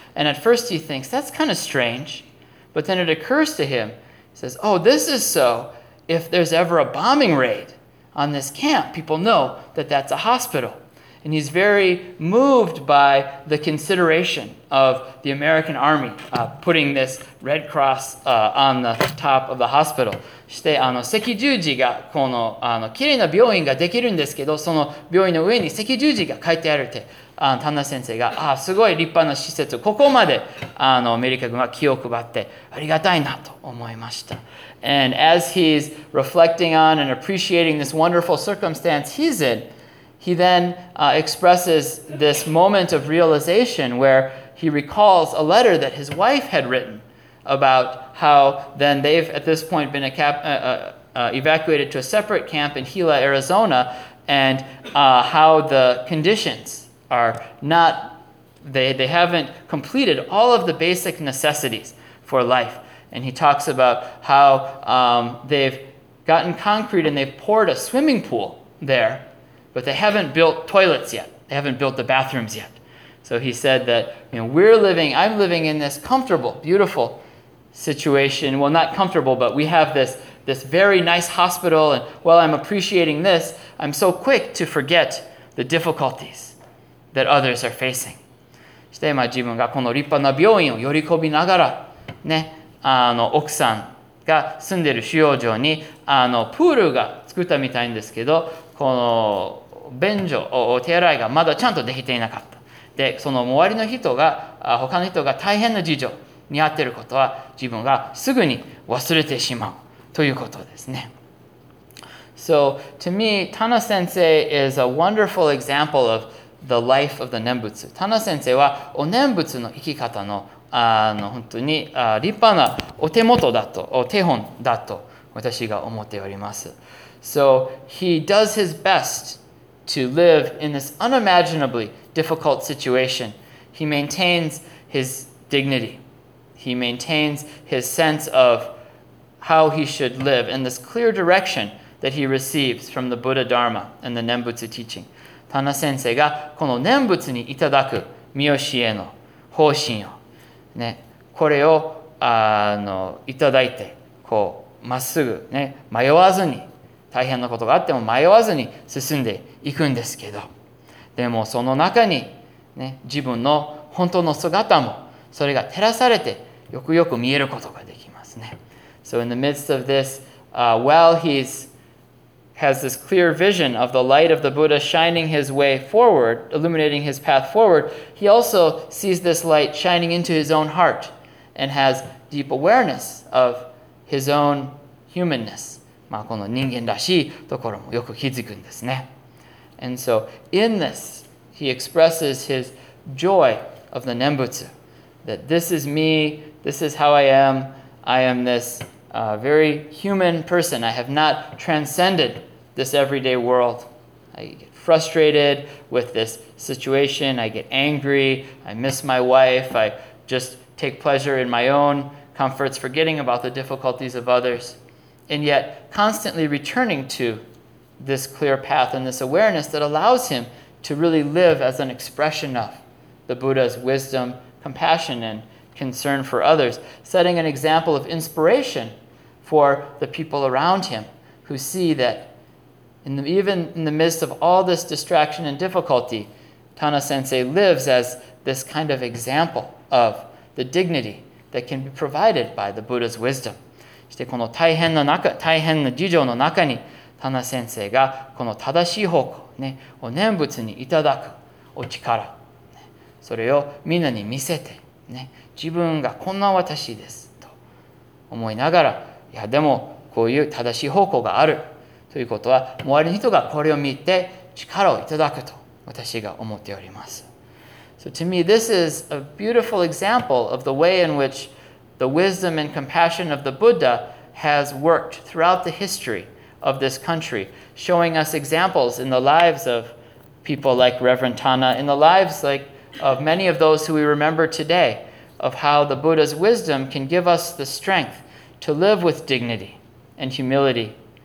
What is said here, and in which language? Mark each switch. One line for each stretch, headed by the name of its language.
English: And at first he thinks, that's kind of strange. But then it occurs to him, he says, oh, this is so if there's ever a bombing raid on this camp, people know that that's a hospital. And he's very moved by the consideration of the American Army putting this red cross on the top of the hospital.
Japanese: して、あの、赤十字が、この、あの、綺麗な病院ができるんですけど、その病院の上に赤十字が書いてあるって、あの、田中先生が、ああ、すごい立派な施設、ここまで、あの、アメリカ軍は気を配って、ありがたいなと思いました。
English: And as he's reflecting on and appreciating this wonderful circumstance he's in, he then expresses this moment of realization where he recalls a letter that his wife had written about how then they've at this point been evacuated to a separate camp in Gila, Arizona, and how the conditions are not, they haven't completed all of the basic necessities for life. And he talks about how they've gotten concrete and they've poured a swimming pool there, but they haven't built toilets yet. They haven't built the bathrooms yet. So he said that, you know, I'm living in this comfortable, beautiful situation. Well, not comfortable, but we have this very nice hospital. And while I'm appreciating this, I'm so quick to forget the difficulties that others are facing.
Japanese: して、まあ、自分がこの立派な病院を喜びながら、ね、あの、奥さんが住んでる収容所に、あの、プールが作ったみたいんですけど、この便所、お手洗いがまだちゃんとできていなかった。で、その周りの人が、他の人が大変な事情にあっていることは自分がすぐに忘れてしまうということですね。
English: So, to me, Tana Sensei is a wonderful example of the life of the Nembutsu.
Japanese: Tana Sensei はお念仏の生き方の、あの、本当に、立派なお手元だと、お手本だと私が思っております。
English: So, he does his best to live in this unimaginably difficult situation. He maintains his dignity. He maintains his sense of how he should live and this clear direction that he receives from the Buddha Dharma and the Nembutsu teaching.
Japanese: Tana Sensei がこの Nembutsu にいただく身教えの方針を、ね、これをあのいただいてこうまっすぐ、ね、迷わずに大変なことがあっても迷わずに進んでいくんですけど、でもその中に、ね、自分の本当の姿もそれが照らされてよくよく見えることができますね。
English: So in the midst of this, while he's has this clear vision of the light of the Buddha shining his way forward, illuminating his path forward, he also sees this light shining into his own heart and has deep awareness of his own humanness.
Japanese: まあこの人間らしいところもよく気づくんですね。
English: And so in this, he expresses his joy of the Nembutsu. That this is me, this is how I am this very human person. I have not transcended this everyday world. I get frustrated with this situation, I get angry, I miss my wife, I just take pleasure in my own comforts, forgetting about the difficulties of others. And yet, constantly returning to this clear path and this awareness that allows him to really live as an expression of the Buddha's wisdom,compassion and concern for others, setting an example of inspiration for the people around him who see that in the, even in the midst of all this distraction and difficulty, Tana-sensei lives as this kind of example of the dignity that can be provided by the Buddha's wisdom.
Japanese: そしてこの大変な中、大変な事情の中に、タナ先生がこの正しい方向、ね、を念仏にいただくお力、ね、それをみんなに見せて、ね、自分がこんな私ですと思いながら、いやでもこういう正しい方向があるということは、周りの人がこれを見て力をいただくと私が思っております。
English: So to me, this is a beautiful example of the way in which the wisdom and compassion of the Buddha has worked throughout the history of this country, showing us examples in the lives of people like Reverend Tana, in the lives like of many of those who we remember today, of how the Buddha's wisdom can give us the strength to live with dignity and humility